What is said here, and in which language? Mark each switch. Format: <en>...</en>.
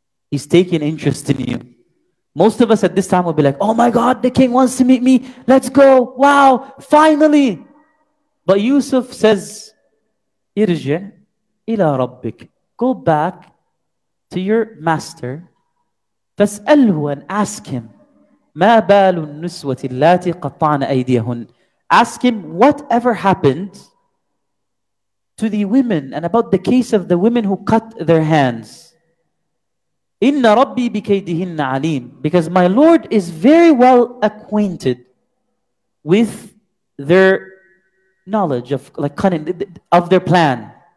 <en>He's taking interest in you. Most of us at this time will be like, oh my God, the king wants to meet me. Let's go. Wow, finally. But Yusuf says,</en> <ar>ارجع إلى ربك.</ar> <en>Go back to your master.</en> <ar>فاسأله</ar> <en>and ask him,</en> <ar>ما بال النسوة اللاتي قطعن أيديهن.</ar> <en>Ask him, whatever happened to the women and about the case of the women who cut their hands.</en> <ar>إِنَّ رَبِّي بِكَيْدِهِنَّ عَلِيمٌ.</ar> <en>Because my Lord is very well acquainted with their knowledge of, like, cunning, of their plan.</en>